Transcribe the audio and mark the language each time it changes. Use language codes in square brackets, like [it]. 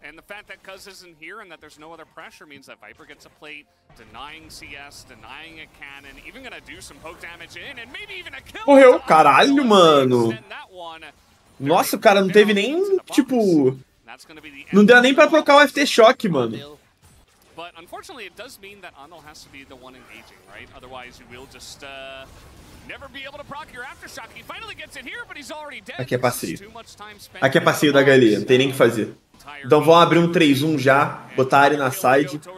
[en] And the fact that Cuz isn't here and that there's no other pressure means that Viper gets a plate, denying CS, denying a cannon, even gonna do some poke damage in, and maybe even a kill. [pt] Morreu, caralho, mano. Nossa, o cara não teve nem, tipo, não deu nem pra trocar o FT Shock, mano. [en] But unfortunately, it does mean that Anul has to be the one engaging, right? Otherwise, you will just, never be able to proc your aftershock. He finally gets it here, but he's already dead. [pt] Aqui é passeio. Aqui é passeio da galinha, não tem nem o que fazer. Então vão abrir um 3-1 já, botar ele na side.